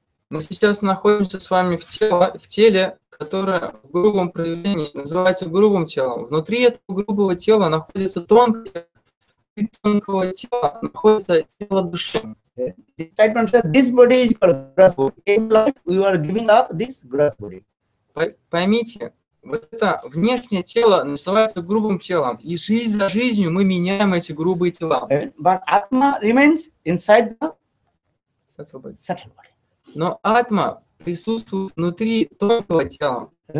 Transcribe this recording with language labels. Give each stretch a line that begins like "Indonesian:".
Russian: Мы сейчас находимся с вами в теле, которое в грубом проявлении называется грубым телом. Внутри этого грубого тела находится тонкость, и тонкого тела находится тело души.
English: This body is gross body. In life we are giving up this gross body.
Russian: Поймите, вот это внешнее тело называется грубым телом, и жизнь за жизнью мы меняем эти грубые тела.
English: But Atma remains inside the subtle body. Subtle body.
Russian: Но атма присутствует внутри тонкого тела.